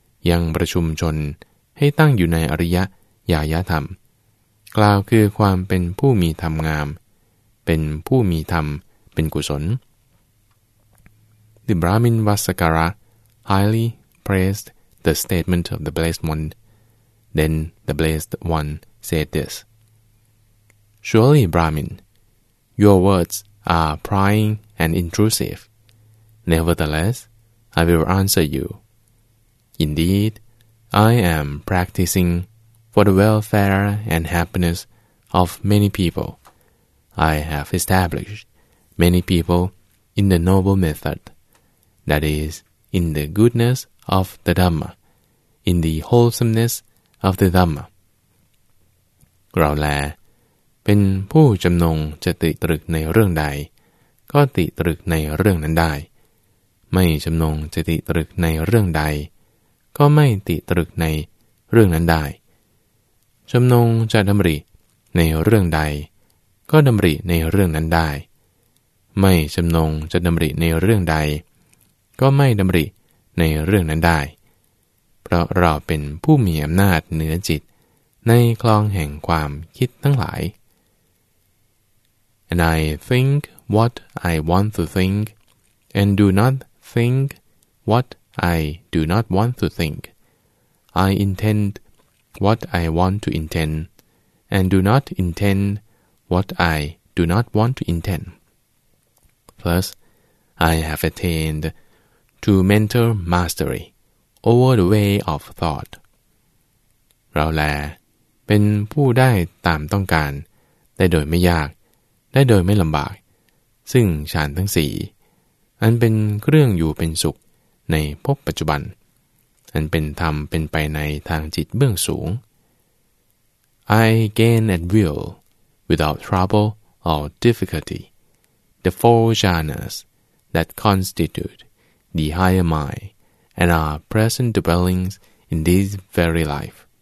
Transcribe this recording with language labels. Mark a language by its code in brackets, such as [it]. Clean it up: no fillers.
[th] ยังประชุมชนให้ตั้งอยู่ในอริยญาณธรรมกล่าวคือความเป็นผู้มีธรรมงามเป็นผู้มีธรรมเป็นกุศล [en] The Brahmin Vasakara highly praised the statement of the Blessed OneThen the Blessed One said this, Surely, Brahmin, your words are prying and intrusive. Nevertheless, I will answer you. Indeed, I am practicing for the welfare and happiness of many people. I have established many people in the noble method, that is, in the goodness of the Dhamma, in the wholesomeness of the Dhamma. [th] เราแลเป็นผู้จำนงจะติตรึกในเรื่องใดก็ติตรึกในเรื่องนั้นได้ไม่จำนงจะติตรึกในเรื่องใดก็ไม่ติตรึกในเรื่องนั้นไ จำนงจะดำริในเรื่องใดก็ดำริในเรื่องนั้นได้ไม่จำนงจะดำริในเรื่องใดก็ไม่ดำริในเรื่องนั้นได้เพราะเราเป็นผู้มีอำนาจเหนือจิตในคลองแห่งความคิดทั้งหลาย [en] And I think what I want to think and do not think what I do not want to think. I intend what I want to intend and do not intend what I do not want to intend. Thus, I have attained to mental masteryover the way of thought. [th] เราแลเป็นผู้ได้ตามต้องการได้โดยไม่ยากได้โดยไม่ลำบากซึ่งฌานทั้งสี่อันเป็นเครื่องอยู่เป็นสุขในภพปัจจุบัน อันเป็นธรรมเป็นไปในทางจิตเบื้องสูง [en] I gain at will without trouble or difficulty the four jhanas that constitute the higher mindand our present dwellings in this very life.